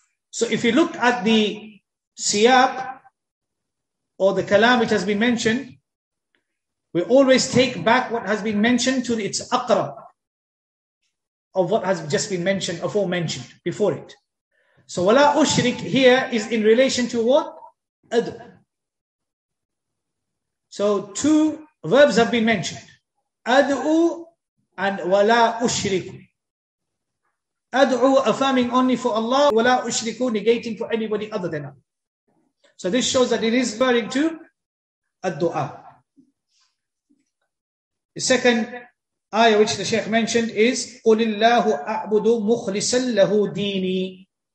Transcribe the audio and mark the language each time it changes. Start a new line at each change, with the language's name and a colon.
English: So if you look at the siyaq or the kalam which has been mentioned, we always take back what has been mentioned to its aqrab of what has just been mentioned, aforementioned, before it. So
Arabic: وَلَا أُشْرِكُ
English: here is in relation to what?
Arabic: أَدْ.
English: So two verbs have been mentioned.
Arabic: أَدْءُ and وَلَا أُشْرِكُ.
English: أَدْعُ affirming only for Allah,
Arabic: وَلَا أُشْرِكُ
English: negating for anybody other than Allah. So this shows that it is referring to الدُّعَى. The second ayah which the Shaykh mentioned is
Arabic: قُلِ اللَّهُ أَعْبُدُ مُخْلِسًا لَهُ دِينِي.